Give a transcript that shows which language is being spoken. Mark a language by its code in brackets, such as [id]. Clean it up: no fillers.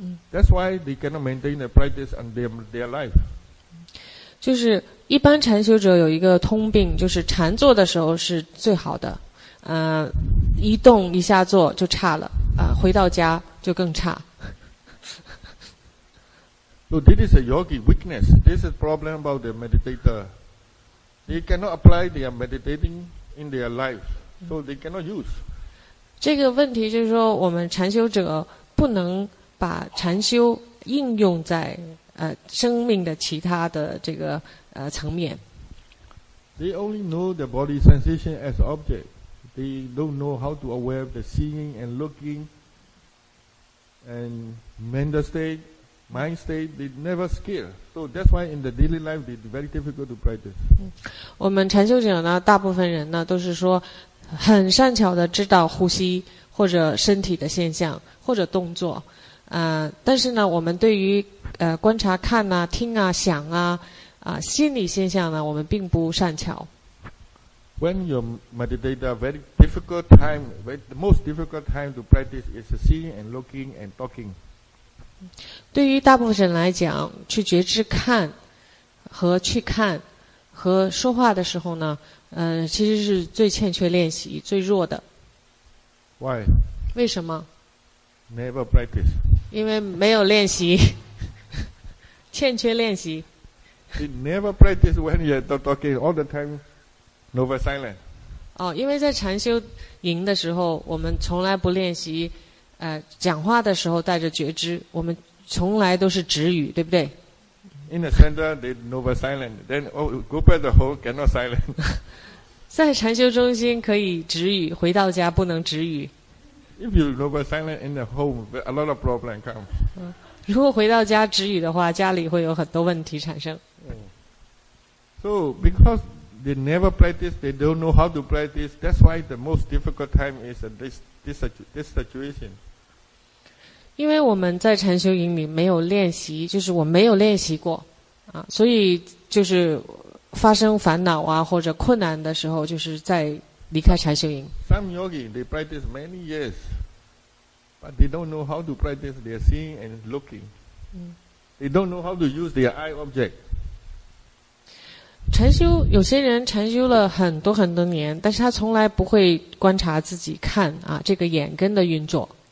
[en] That's why they cannot maintain the practice in their life. [zh] 就是一般禅修者有一个通病，就是禅坐的时候是最好的，一动一下坐就差了，回到家就更差。 [en] So this is a yogi weakness. This is problem about the meditator. They cannot apply their meditating in their life, so they cannot use. [zh] 这个问题就是说，我们禅修者不能把禅修应用在。生命的其他的这个层面。 [en] They only know the body sensation as object. They don't know how to aware the seeing and looking and mental state, mind state. They never skill. So that's why in the daily life, it's very difficult to practice. [zh] 我们禅修者呢，大部分人呢都是说很善巧的知道呼吸或者身体的现象或者动作，但是呢，我们对于观察看啊听啊想啊心理现象呢我们并不善巧。 [en] When you meditate a very difficult time, the most difficult time to practice is seeing and looking and talking. [zh] 对于大部分人来讲，去觉知看和去看和说话的时候呢，其实是最欠缺练习最弱的。 [en] Why? [zh] 为什么？ [en] Never practice. [zh] 因为没有练习。欠缺练习。 [en] You never practice when you're talking all the time, never silent. [zh] 哦，因为在禅修营的时候，我们从来不练习，讲话的时候带着觉知，我们从来都是止语，对不对 [en] ？In the center, they never silent. Then, go back the whole cannot silent. [zh] 在禅修中心可以止语，回到家不能止语。 [en] If you never silent in the home, a lot of problem come. [zh] 如果回到家止语的话，家里会有很多问题产生。 [en] So because they never practice, they don't know how to practice. That's why the most difficult time is this situation. [zh] 因为我们在禅修营里没有练习，就是我没有练习过，啊，所以就是发生烦恼啊或者困难的时候，就是在离开禅修营。 [en] Some yogi they practice many years, but they don't know how to practice. They are seeing and looking. They don't know how to use their eye object. [zh] 禅修有些人禅修了很多很多年，但是他从来不会观察自己看啊这个眼根的运作。